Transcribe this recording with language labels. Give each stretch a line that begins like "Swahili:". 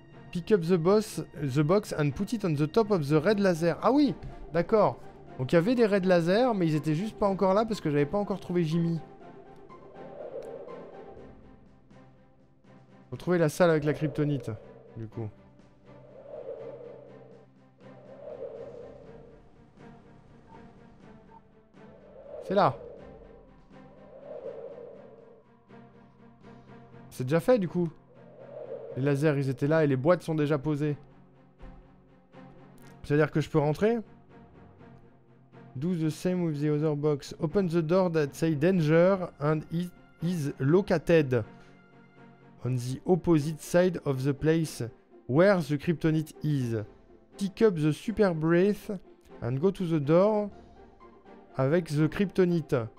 English: Pick up the box and put it on the top of the red laser.
French: Ah oui, d'accord. Donc il y avait des red lasers, mais ils étaient juste pas encore là parce que j'avais pas encore trouvé Jimmy. Faut trouver la salle avec la kryptonite, du coup. C'est là. C'est déjà fait, du coup. Les lasers, ils étaient là et les boîtes sont déjà posées. C'est-à-dire que je peux rentrer.
English: Do the same with the other box. Open the door that say danger and it is located on the opposite side of the place where the kryptonite is. Pick up the super breath and go to the door avec the kryptonite.